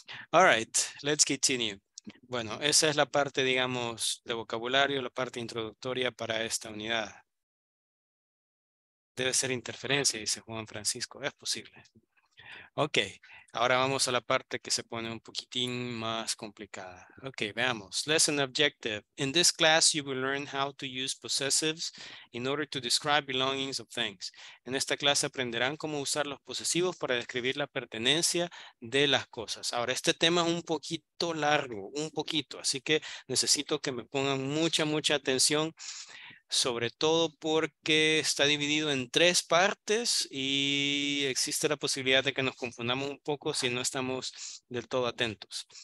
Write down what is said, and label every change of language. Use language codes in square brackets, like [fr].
[en] All right, let's continue. [es] Bueno, esa es la parte, digamos, de vocabulario, la parte introductoria para esta unidad. Debe ser interferencia, dice Juan Francisco. Es posible. Ok, ahora vamos a la parte que se pone un poquitín más complicada. Ok, veamos. [en] Lesson objective. In this class, you will learn how to use possessives in order to describe belongings of things. [es] En esta clase aprenderán cómo usar los posesivos para describir la pertenencia de las cosas. Ahora, este tema es un poquito largo, un poquito. Así que necesito que me pongan mucha, mucha atención. Sobre todo porque está dividido en tres partes y existe la posibilidad de que nos confundamos un poco si no estamos del todo atentos.